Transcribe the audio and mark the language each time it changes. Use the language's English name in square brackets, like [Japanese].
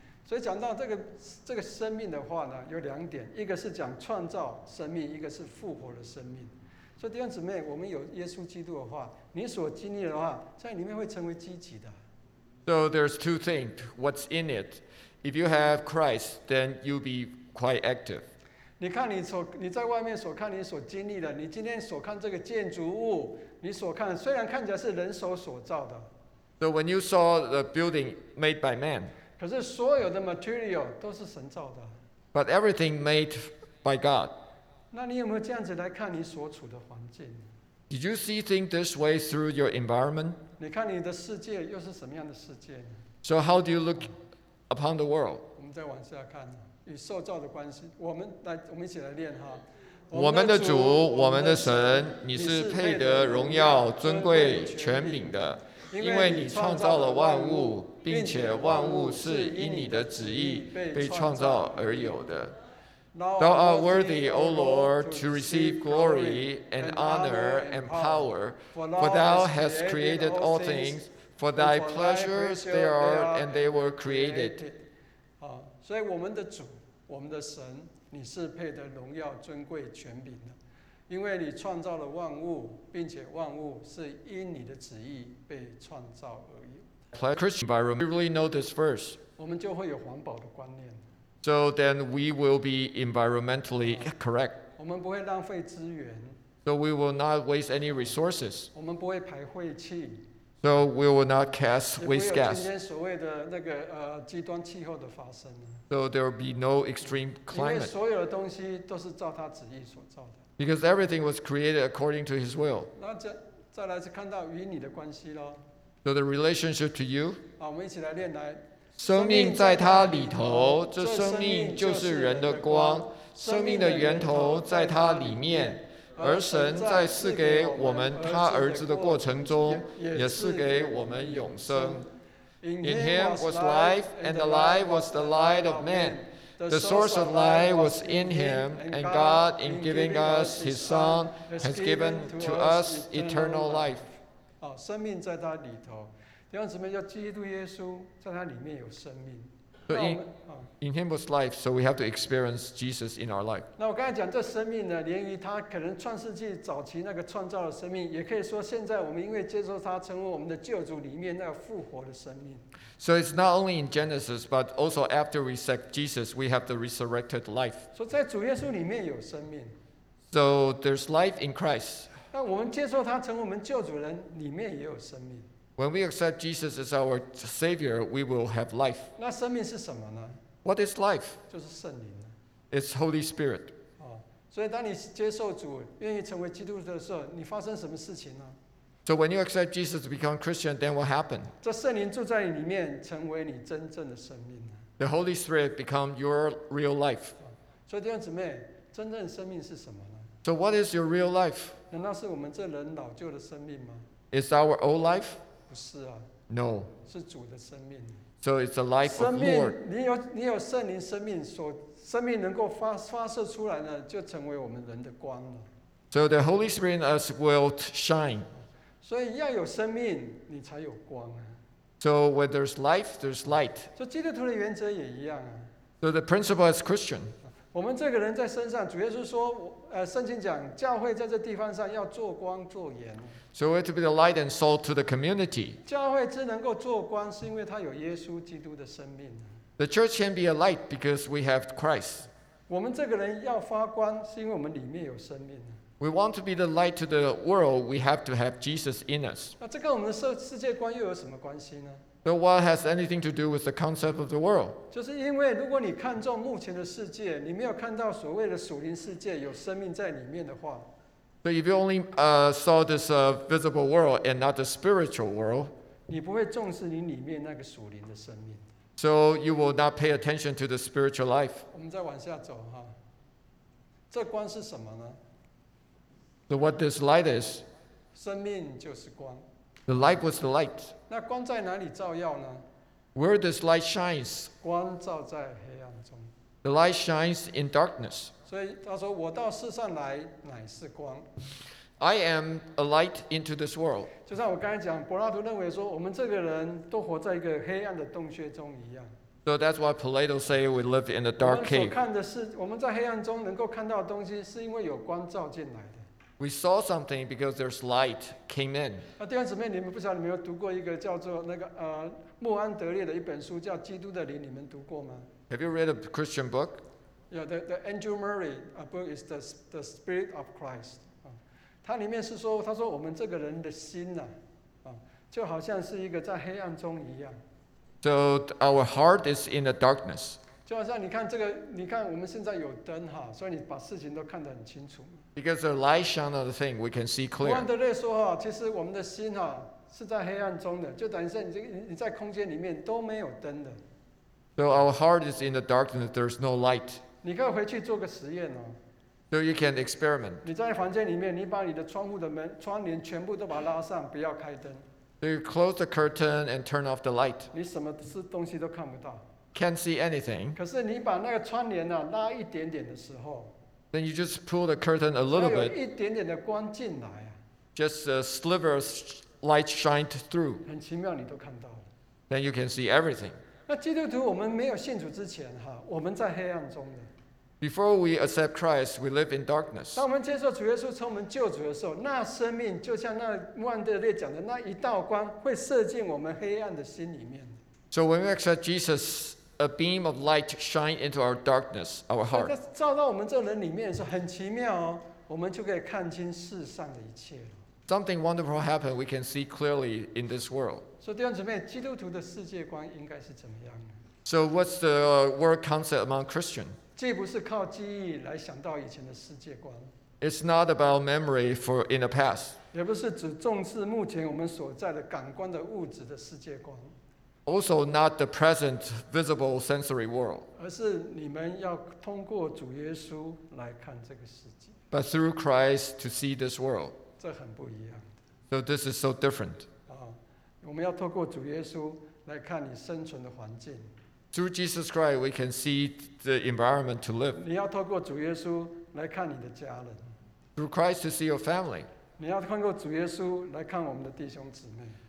[Chinese] 所以讲到这个生命的话呢，有两点，一个是讲创造生命，一个是复活的生命。所以弟兄姊妹，我们有耶稣基督的话，你所经历的话，在里面会成为积极的。 [English] So there's two things. What's in it? If you have Christ, then you'll be quite active. [Chinese] 你看你在外面所看你所经历的，你今天所看这个建筑物，你所看虽然看起来是人手所造的。 [English] So when you saw the building made by man. [Chinese] 可是所有的 material 都是神造的。 [English] But everything made by God. [Chinese] 那你有没有这样子来看你所处的环境？ [English] Did you see things this way through your environment? [Chinese] 你看你的世界又是什么样的世界呢？ [English] So how do you look upon the world? [Chinese] 我们再往下看，与受造的关系，我们一起来练哈。我们的主，我们的神，你是配得荣耀、尊贵、权柄的。因为你创造了万物，并且万物是因你的旨意被创造而有的。 [English] Thou art worthy, O Lord, to receive glory and honor and power, for thou hast created all things, for thy pleasures they are and they were created. [Chinese] 所以我们的主，我们的神，你是配得荣耀、尊贵、权柄的。因为你创造了万物，并且万物是因你的旨意被创造而有。 [English] Christian environment, we really know this verse. [Chinese] 我们就会有环保的观念。 [English] So then we will be environmentally correct. [Chinese] 我们不会浪费资源。 [English] So we will not waste any resources. [Chinese] 我们不会排废气。 [English] So we will not cast waste gas. [Chinese] 也不会有今天所谓的那个极端气候的发生。 [English] So there will be no extreme climate. [Chinese] 因为所有的东西都是照他旨意所造的。 [English] Because everything was created according to his will. [Chinese] 那再来是看到与你的关系咯。 [English] So the relationship to you. [Chinese] 好，我们一起来练来。生命在他里头，这生命就是人的光。生命的源头在他里面，而神在赐给我们他儿子的过程中，也赐给我们永生。 [English] In him was life, and the light was the light of man. The source of life was in him, and God, in giving us his Son, has given to us eternal life. [Chinese] 生命在他里头，弟兄姊妹，叫基督耶稣在他里面有生命。 [English] So in him was life, so we have to experience Jesus in our life. [Chinese] 那我刚才讲这生命呢，连于他可能创世纪早期那个创造的生命，也可以说现在我们因为接受他成为我们的救主里面那个复活的生命。 [English] So it's not only in Genesis, but also after we accept Jesus, we have the resurrected life. [Chinese] 所以在主耶稣里面有生命。 [English] So there's life in Christ. [Chinese] 那我们接受他成为我们救主人里面也有生命。 [English] When we accept Jesus as our Savior, we will have life. [Chinese] 那生命是什么呢？ [English] What is life? [Chinese] 就是圣灵。 [English] It's Holy Spirit. [Chinese] 所以当你接受主，愿意成为基督徒的时候，你发生什么事情呢？ [English] So when you accept Jesus to become Christian, then what happened? [Chinese] 这圣灵住在你里面，成为你真正的生命。 [English] The Holy Spirit become your real life. [Chinese] 所以弟兄姊妹，真正生命是什么呢？ [English] So what is your real life? [Chinese] 难道是我们这人老旧的生命吗？ [English] Is our old life? [Chinese] 不是啊、 [English] no. [Chinese] 是主的生命。 [English] So it's the life of the Lord. [Chinese] 你有圣灵生命，所生命能够 发射出来呢，就成为我们人的光了。 [English] So the Holy Spirit in us will shine. [Chinese] 所以要有生命，你才有光啊。 [English] So when there's life, there's light. [Chinese] 所以基督徒的原则也一样啊。 [English] So the principle is Christian. [Chinese] 我们这个人在身上，主耶稣说，圣经讲，教会在这地方上要做光做盐。 [English] So we have to be the light and salt to the community. [Chinese] 教会只能够做光，是因为它有耶稣基督的生命。 [English] The church can be a light because we have Christ. [Chinese] 我们这个人要发光，是因为我们里面有生命。 [English] We want to be the light to the world, we have to have Jesus in us. [Chinese] 那这跟我们的世界观又有什么关系呢？ [English] So what has anything to do with the concept of the world? [Chinese] 就是因为如果你看重目前的世界，你没有看到所谓的属灵世界有生命在里面的话， [English] So if you only saw this visible world and not the spiritual world, [Chinese] 你不会重视你里面那个属灵的生命。 [English] So you will not pay attention to the spiritual life. [Chinese] 我们再往下走哈。这光是什么呢？ [English] So what this light is? [Chinese] 生命就是光。 [English] The light was the light. [Chinese] 那光在哪里照耀呢？ [English] Where this light shines? [Chinese] 光照在黑暗中。 [English] The light shines in darkness. [Chinese] 所以他说，我到世上来乃是光。 [English] I am a light into this world。 [Chinese] 就像我刚才讲，柏拉图认为说，我们这个人都活在一个黑暗的洞穴中一样。 [English] So that's why Plato say we live in a dark cave。 [Chinese] 我们所看的是，我们在黑暗中能够看到的东西，是因为有光照进来的。 [English] We saw something because there's light came in。 [Chinese] 那弟兄姊妹，你们不晓得你们有读过一个叫做那个穆安德烈的一本书，叫《基督的灵》，你们读过吗 [English] ？Have you read a Christian book？ Yeah, the Andrew Murray book is the Spirit of Christ. [Chinese] 它里面是说，他说我们这个人的心呐，就好像是一个在黑暗中一样。 [English] So our heart is in the darkness. [Chinese] 就好像你看这个，你看我们现在有灯哈，所以你把事情都看得很清楚。 [English] Because the light shines on the thing, we can see clear. [Chinese] 穆安德烈说哈，其实我们的心哈是在黑暗中的，就等于你在空间里面都没有灯的。 [English] So our heart is in the darkness. There's no light. [Chinese] 你可以回去做个实验哦。 [English] So you can experiment. [Chinese] 你在房间里面，你把你的窗户的门窗帘全部都把它拉上，不要开灯。 [English] So you close the curtain and turn off the light. [Chinese] 你什么是东西都看不到。 [English] Can't see anything. [Chinese] 可是你把那个窗帘呢拉一点点的时候 [English] ，Then you just pull the curtain a little bit. [Chinese] 它有一点点的光进来啊。 [English] Just a sliver of light shined through. [Chinese] 很奇妙，你都看到了。 [English] Then you can see everything. [Chinese] 那基督徒，我们没有信主之前，哈，我们在黑暗中的。 [English] Before we accept Christ, we live in darkness. [Chinese] 当我们接受主耶稣成我们救主的时候，那生命就像那穆安德烈讲的那一道光，会射进我们黑暗的心里面。 [English] So when we accept Jesus, a beam of light shines into our darkness, our heart. [Chinese] 那照到我们这人里面的时候，很奇妙哦，我们就可以看清世上的一切了。 [English] Something wonderful happened. We can see clearly in this world. [Chinese] 所以弟兄姊妹，基督徒的世界观应该是怎么样的 [English] ？So what's the world concept among Christian? [Chinese] 既不是靠记忆来想到以前的世界观。 [English] It's not about memory for in the past. [Chinese] 也不是只重视目前我们所在的感官的物质的世界观。 [English] Also not the present visible sensory world. [Chinese] 而是你们要通过主耶稣来看这个世界。 [English] But through Christ to see this world. [Chinese] 这很不一样的。 [English] So this is so different. [Chinese] 我们要透过主耶稣来看你生存的环境。 [English] Through Jesus Christ, we can see the environment to live. [Chinese] 你要透过主耶稣来看你的家人。 [English] Through Christ to see your family. [Chinese] 你要透过主耶稣来看我们的弟兄姊妹。